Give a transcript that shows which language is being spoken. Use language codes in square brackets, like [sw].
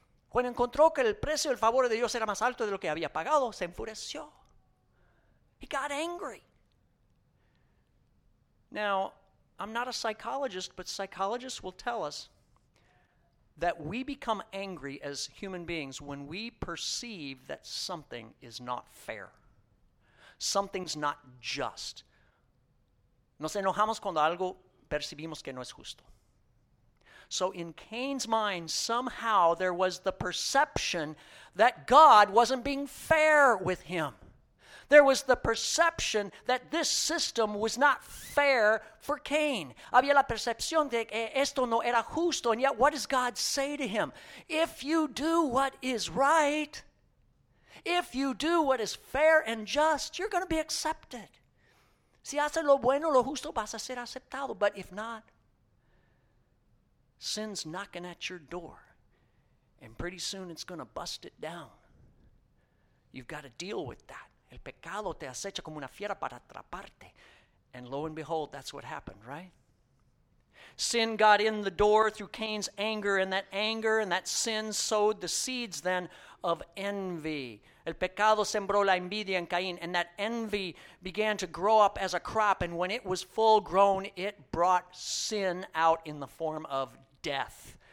[es] When encontró que el precio del favor de Dios era más alto de lo que había pagado, se enfureció. [en] He got angry. Now, I'm not a psychologist, but psychologists will tell us that we become angry as human beings when we perceive that something is not fair. Something's not just. [es] Nos enojamos cuando algo percibimos que no es justo. [en] So in Cain's mind, somehow there was the perception that God wasn't being fair with him. There was the perception that this system was not fair for Cain. [es] Había la percepción de que esto no era justo. [en] And yet, what does God say to him? If you do what is right, if you do what is fair and just, you're going to be accepted. [es] Si haces lo bueno, lo justo, vas a ser aceptado. [en] But if not, sin's knocking at your door. And pretty soon it's going to bust it down. You've got to deal with that. [es] El pecado te acecha como una fiera para atraparte. [en] And lo and behold, that's what happened, right? Sin got in the door through Cain's anger, and that sin sowed the seeds then of envy. [es] El pecado sembró la envidia en Caín, [en] and that envy began to grow up as a crop, and when it was full grown, it brought sin out in the form of death.